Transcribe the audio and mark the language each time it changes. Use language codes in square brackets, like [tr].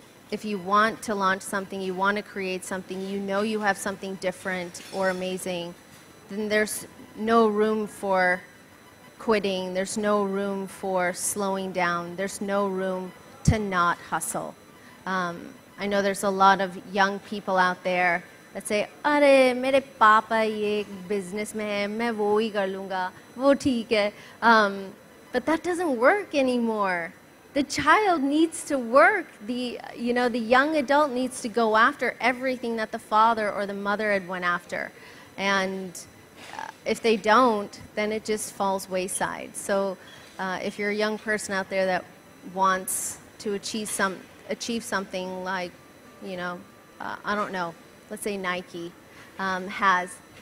[en] if you want to launch something, you want to create something, you know you have something different or amazing, then there's no room for quitting. There's no room for slowing down. There's no room to not hustle. I know there's a lot of young people out there that say, [hi] "अरे, मेरे पापा ये business में है, मैं वो ही कर लूँगा, वो ठीक है." [en] But that doesn't work anymore. The child needs to work. The young adult needs to go after everything that the father or the mother had went after. And if they don't, then it just falls wayside. So if you're a young person out there that wants to achieve something like, I don't know, let's say Nike has.